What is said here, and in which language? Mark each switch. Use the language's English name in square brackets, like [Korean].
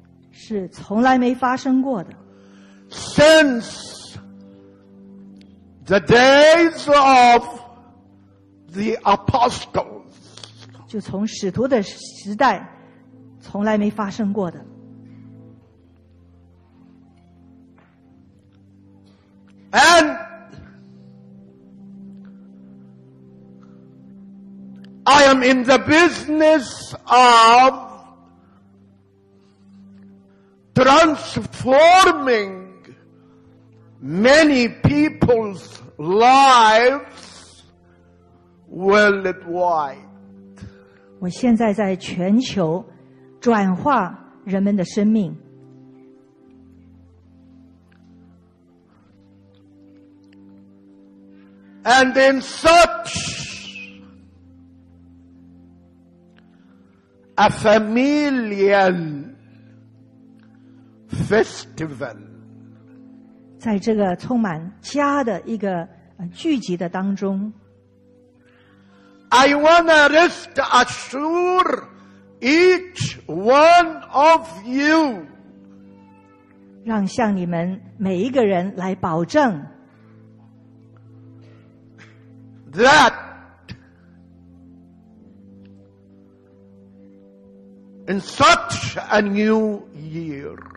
[Chinese] 是从来没发生过的。 [English] Since. The days of the apostles. [Chinese] 就从使徒的时代从来没发生过的。 [English] And I am in the business of transforming many people'slives worldwide. [Chinese] 我现在在全球转化人们的生命。 [English] And in such a familial festival. [Chinese] 在这个充满家的一个聚集的当中 [English] I want to rest assure each one of you [Chinese] 让向你们每一个人来保证 [English] That in such a new year